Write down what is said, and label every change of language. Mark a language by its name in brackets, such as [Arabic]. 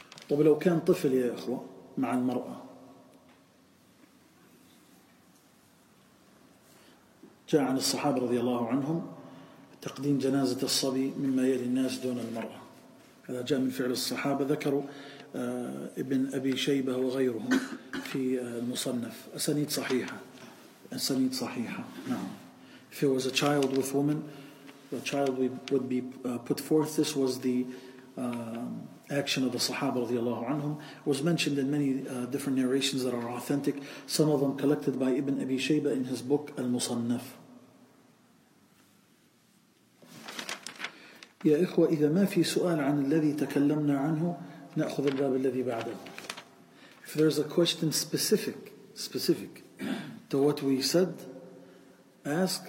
[Arabic] طب لو كان طفل يا إخوة مع المرأة، جاء عن الصحابة رضي الله عنهم تقديم جنازة الصبي مما يلي الناس دون المرأة، هذا جاء من فعل الصحابة، ذكروا ابن أبي شيبة وغيرهم في المصنف، أسانيد صحيحة، أسانيد صحيحة. نعم. [English] If it was a child with woman, the child would be put forth. This was the action of the Sahaba رضي الله عنهم. It was mentioned in many different narrations that are authentic, some of them collected by Ibn Abi Shayba in his book المصنف. [Arabic] يا إخوة إذا ما في سؤال عن الذي تكلمنا عنه نأخذ الباب الذي بعده. [English] If there is a question specific to what we said, ask.